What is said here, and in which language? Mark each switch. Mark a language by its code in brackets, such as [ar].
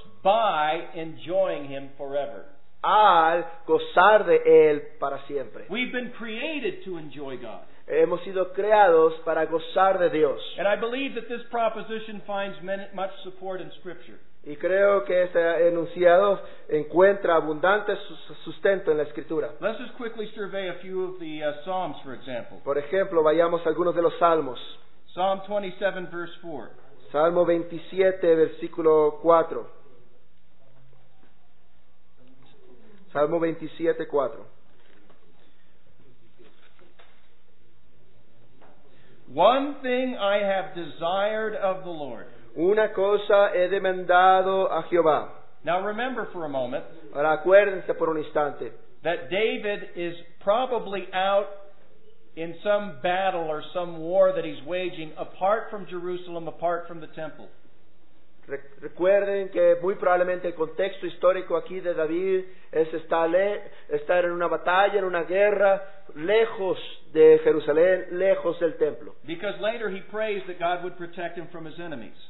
[en] by enjoying Him forever. [es] Al gozar de Él para siempre. [en] We've been created to enjoy God. [es] Hemos sido creados para gozar de Dios. [en] And I believe that this proposition finds much support in Scripture. [es] Y creo que este enunciado encuentra abundante sustento en la Escritura. [en] Let's just quickly survey a few of the Psalms, for example. [es] Por ejemplo, vayamos a algunos de los Salmos. [en] Psalm 27, verse 4. [es] Salmo 27, versículo 4. Salmo 27, 4. [en] One thing I have desired of the Lord. [es] Una cosa he demandado a Jehová. [en] Now remember for a moment. [es] Ahora acuérdense por un instante. [en] That David is probably out in some battle or some war that he's waging apart from Jerusalem, apart from the temple. [es] Recuerden que muy probablemente el contexto histórico aquí de David es estar en una batalla, en una guerra, lejos de Jerusalén, lejos del templo. [en] Because later he prays that God would protect him from his enemies.